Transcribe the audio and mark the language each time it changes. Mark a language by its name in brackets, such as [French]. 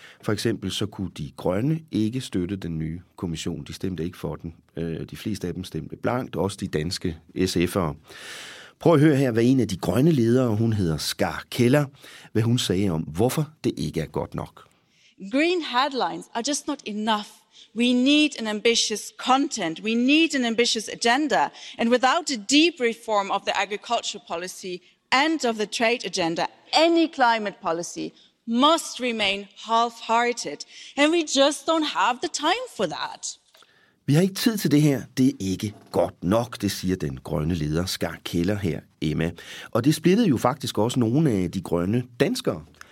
[Danish] For eksempel så kunne de grønne ikke støtte den nye kommission. De stemte ikke for den. De fleste af dem stemte blankt, også de danske SF'ere. Prøv at høre her, hvad en af de grønne ledere, hun hedder Skar Keller, hvad hun sagde om, hvorfor det ikke er godt nok. [English] Green headlines are just not enough. We need an ambitious content, we need an ambitious agenda, and without a deep reform of the agricultural policy and of the trade agenda, any climate policy must remain half-hearted, and we just don't have the time for that. [Danish] Vi har ikke tid til det her. Det er ikke godt nok, det siger den grønne leder Skar Keller her, Emma. Og det splittede jo faktisk også nogle af de grønne danskere.